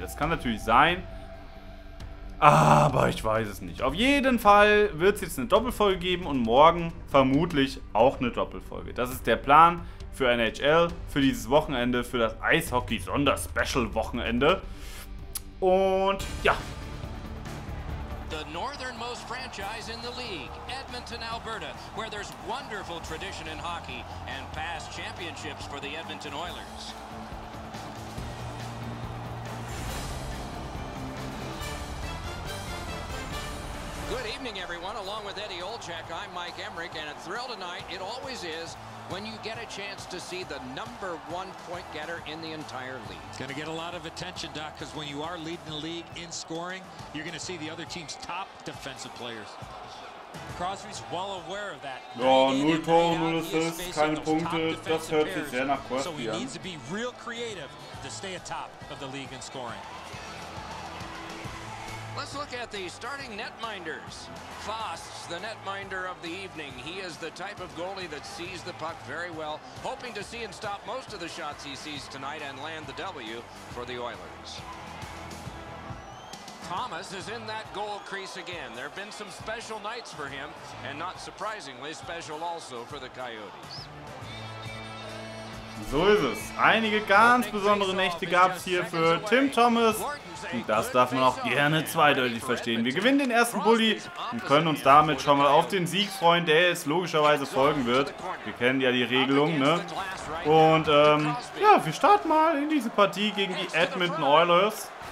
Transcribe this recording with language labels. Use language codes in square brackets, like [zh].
[de] Das kann natürlich sein. Aber ich weiß es nicht. Auf jeden Fall wird es jetzt eine Doppelfolge geben und morgen vermutlich auch eine Doppelfolge. Das ist der Plan für NHL, für dieses Wochenende, für das Eishockey-Sonder-Special-Wochenende. Und ja. [en] The northernmost franchise in the league, Edmonton, Alberta, where there's wonderful tradition in hockey and past championships for the Edmonton Oilers. Good evening, everyone. Along with Eddie Olczyk, I'm Mike Emmerich, and a thrill tonight, it always is, when you get a chance to see the number one point getter in the entire league. It's going to get a lot of attention, Doc, because when you are leading the league in scoring, you're going to see the other team's top defensive players. Crosby's well aware of that. [de] Ja, null Tore, null Assists, keine Punkte. Das hört sich sehr nach Crosby an. [en] So he needs to be real creative to stay atop of the league in scoring. Let's look at the starting netminders. Foss, the netminder of the evening. He is the type of goalie that sees the puck very well, hoping to see and stop most of the shots he sees tonight and land the W for the Oilers. Thomas is in that goal crease again. There have been some special nights for him, and not surprisingly, special also for the Coyotes. [de] So ist es. Einige ganz besondere Nächte gab es hier für Tim Thomas. Und das darf man auch gerne zweideutig verstehen. Wir gewinnen den ersten Bulli und können uns damit schon mal auf den Sieg freuen, der jetzt logischerweise folgen wird. Wir kennen ja die Regelung, ne? Und ja, wir starten mal in diese Partie gegen die Edmonton Oilers.